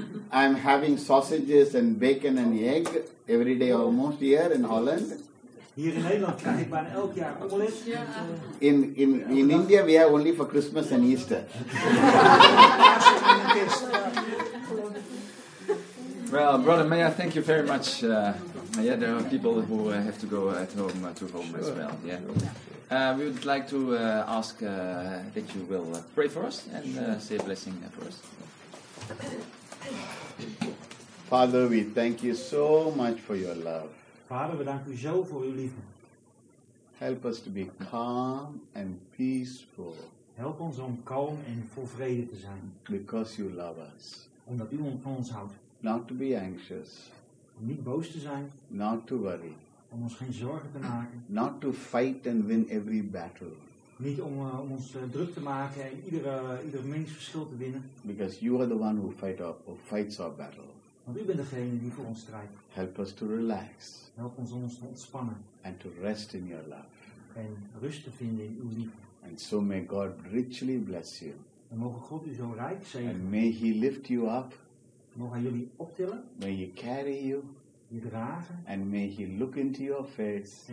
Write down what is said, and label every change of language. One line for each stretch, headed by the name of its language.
English: I'm having sausages and bacon and egg every day almost here in Holland.
Dutch: Hier in Nederland krijg ik bijna elk jaar omelet.
English: In India we have only for Christmas and Easter. Well, Brother Maya, thank you very much. Yeah, there are people who have to go at home to home, sure, as well. Yeah. We would like to ask that you will pray for us and say a blessing for us. Father, we thank you so much for your love.
Dutch: Vader, we danken u zo voor uw liefde.
English: Help us to be calm and peaceful.
Dutch: Help ons om kalm en vol vrede te zijn.
English: Because you love us.
Dutch: Omdat u ons van ons houdt.
English: Not to be anxious.
Dutch: Om niet boos te zijn.
English: Not to worry.
Dutch: Om ons geen zorgen te maken.
English: Not to fight and win every battle.
Dutch: Niet om ons druk te maken en ieder mens verschil te winnen.
English: Because you are the one who fights our battle.
Dutch: Want u bent degene die voor ons strijdt.
English: Help us to relax.
Dutch: Help ons om ons te ontspannen.
English: And to rest in your love.
Dutch: En rust te vinden in uw liefde.
English: And so may God richly bless you.
Dutch: En mogen God u zo rijk zegenen.
English: And may He lift you up.
Dutch: Mogen Hij jullie optillen.
English: May He carry you.
Dutch: Je dragen.
English: And may He look into your face.